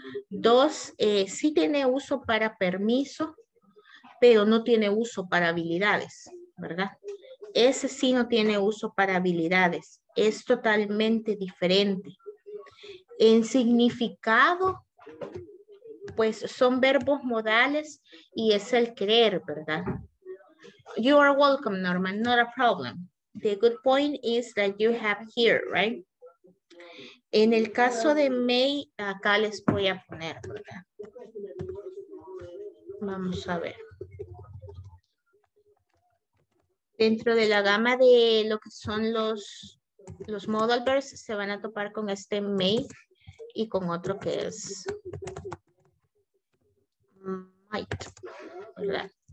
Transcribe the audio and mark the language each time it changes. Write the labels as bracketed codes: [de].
[es] Dos, sí tiene uso para permiso, pero no tiene uso para habilidades, ¿verdad? Ese sí no tiene uso para habilidades. Es totalmente diferente. En significado, pues son verbos modales y es el querer, ¿verdad? [en] You are welcome, Norman. Not a problem. The good point is that you have here, right? [es] En el caso de May, acá les voy a poner, ¿verdad? Vamos a ver. Dentro de la gama de lo que son los modal verbs, se van a topar con este may y con otro que es might, ¿verdad?